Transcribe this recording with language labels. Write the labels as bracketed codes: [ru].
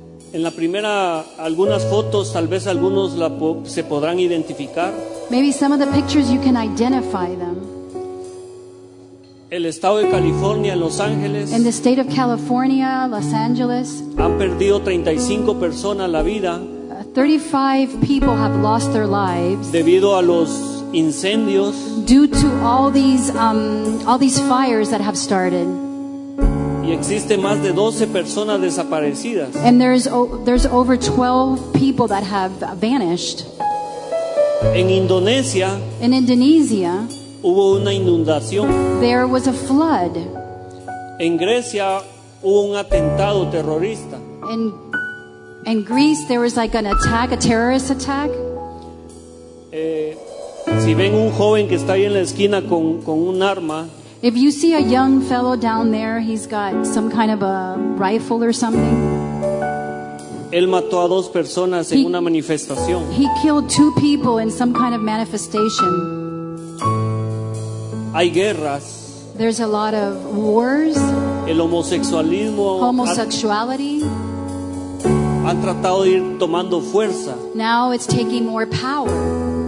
[es] En la primera, algunas fotos, tal vez algunos se podrán identificar. [en] Maybe some of the pictures you can identify them. [es] El estado de California, Los Ángeles. [en] In the state of California, Los Angeles. [es] Han perdido 35 personas la vida. [en] 35 people have lost their lives. [es] Debido a los incendios. [en] Due to all these fires that have started. [es] Y existe más de 12 personas desaparecidas. [en] And there's over 12 people that have vanished. [es] En Indonesia. [en] In Indonesia. [es] Hubo una inundación. [en] There was a flood. [es] En Grecia hubo un atentado terrorista. [en] In Greece there was like an attack, a terrorist attack. [es] Si ven un joven que está ahí en la esquina con un arma. [en] If you see a young fellow down there, he's got some kind of a rifle or something. [es] Él mató a dos personas en una manifestación. [en] He killed two people in some kind of manifestation. [es] Hay guerras. [en] There's a lot of wars. [es] El homosexualismo. [en] Homosexuality. [es] Han tratado de ir tomando fuerza. [en] Now it's taking more power.